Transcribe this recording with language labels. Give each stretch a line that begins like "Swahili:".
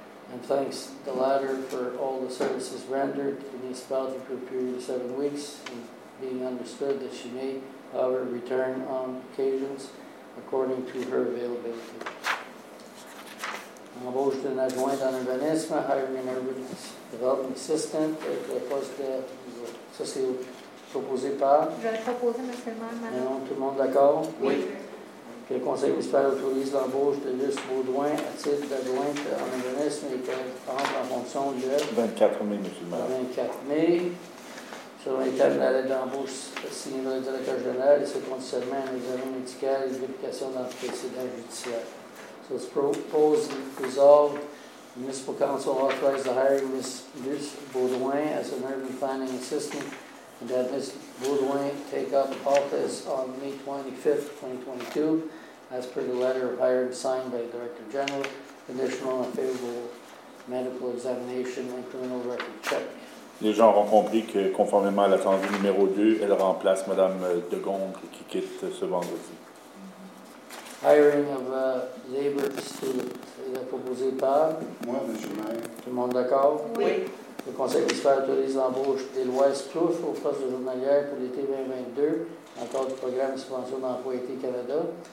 English: And thanks the latter for all the services rendered to the municipality for a period of 7 weeks, and being understood that she may, however, return on occasions according to her availability.
French: Embauche d'une adjointe en urbanisme,
English: hiring an urban development assistant,
French: et le poste de. Ça, c'est proposé par. J'avais proposé, monsieur le maire. Non, tout le monde d'accord? Oui. Que le conseil municipal autorise l'embauche de Luce Baudouin à titre d'adjointe en urbanisme et qu'elle rentre en fonction du 24 mai, monsieur le maire. Le 24 mai, selon les termes de la lettre d'embauche signée par le directeur général et ce conditionnement à un examen médical et vérification dans le précédent judiciaire.
English: So, it's proposed and resolved. The municipal council authorized the hiring of Ms. Luce Baudouin as an urban planning assistant. And that Ms. Baudouin take up office on May 25th, 2022, as per the letter of hiring signed by the Director General, conditional and favorable medical examination and criminal record check.
French: Les gens auront compris que, conformément à l'attendu numéro 2, elle remplace Mme de Gondre qui quitte ce vendredi.
English: Hiring of a labor student
French: est proposé par? Moi, M. Maire. Tout le monde d'accord? Oui. Le conseil municipal autorise l'embauche d'Éloise Plouf au poste de journalière pour l'été 2022, en cadre du programme de subvention d'emploi été Canada,